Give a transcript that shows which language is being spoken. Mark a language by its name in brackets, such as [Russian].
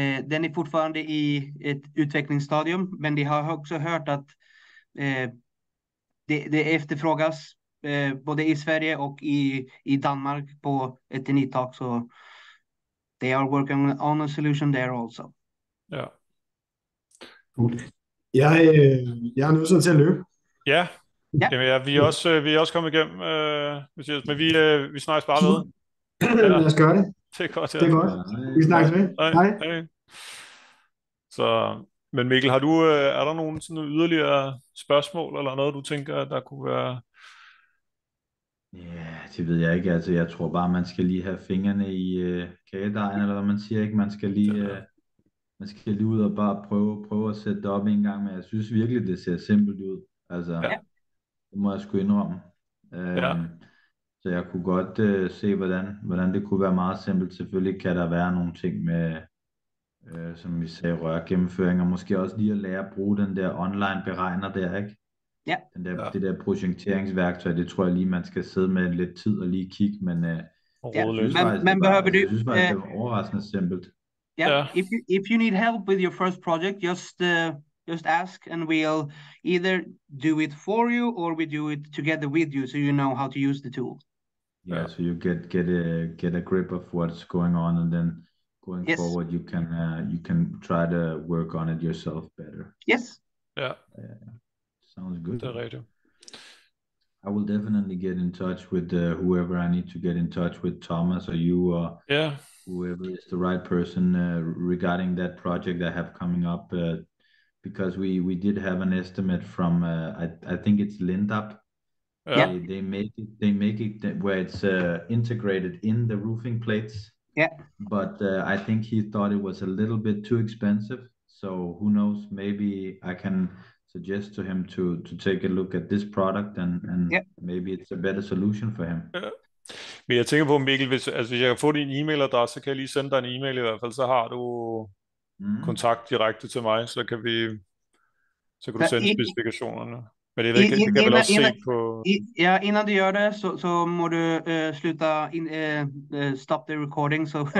[Swedish] Den är fortfarande i ett utvecklingsstadium, men de har också hört att det efterfrågas både i Sverige och i Danmark på ett nytt tak. Så [English] they are working on a solution there also. Ja. Cool. [Swedish] Jag har nu sådan till att [Danish] ja. Jamen, ja, vi er også kommet igennem, Mathias, men vi snakkes bare ved. Lad os gøre det. Det er godt. Det er godt. Vi snakkes med. Hej. Hej. Så, men Mikkel, har du, er der nogen sådan nogle yderligere spørgsmål eller noget, du tænker, der kunne være? Ja, det ved jeg ikke. Altså, jeg tror bare, man skal lige have fingrene i kagedejen, eller hvad man siger, ikke? Man skal lige ud og bare prøve at sætte det op en gang, men jeg synes virkelig, det ser simpelt ud. Altså, ja. Det må jeg sgu indrømme. Ja. Så jeg kunne godt se, hvordan det kunne være meget simpelt. Selvfølgelig kan der være nogle ting med, som vi sagde, rørgennemføring, og måske også lige at lære at bruge den der online beregner der, ikke? Ja. Den der, det der projekteringsværktøj, det tror jeg lige, man skal sidde med lidt tid og lige kigge, men jeg synes faktisk, det var overraskende simpelt. Ja, yeah. [English] If you need help with your first project, just ask and we'll either do it for you or we do it together with you so you know how to use the tool. Yeah, so you get a grip of what's going on, and then going forward you can try to work on it yourself better. Yes. Yeah. Sounds good. [Danish] Det er rigtigt. [English] I will definitely get in touch with whoever I need to get in touch with, Thomas or you or whoever is the right person regarding that project I have coming up. Because we did have an estimate from I think it's Lindab [Danish] Ja. [English] They make it, they make it where it's integrated in the roofing plates. [Danish] Ja. [English] But I think he thought it was a little bit too expensive. So who knows? Maybe I can suggest to him to take a look at this product and maybe it's a better solution for him. [Danish] Ja. Men jeg tænker på, Mikkel, hvis, altså, hvis jeg kan få din e-mailadresse, så kan jeg lige sende dig en e-mail i hvert fald, så har du kontakt direkte til mig, så kan vi, så kan du sende specifikationerne. Men det ved jeg ikke, det kan vel også se på. Ja, inden du gør det, så må du slutte, [English] stop the recording, [Danish] så so,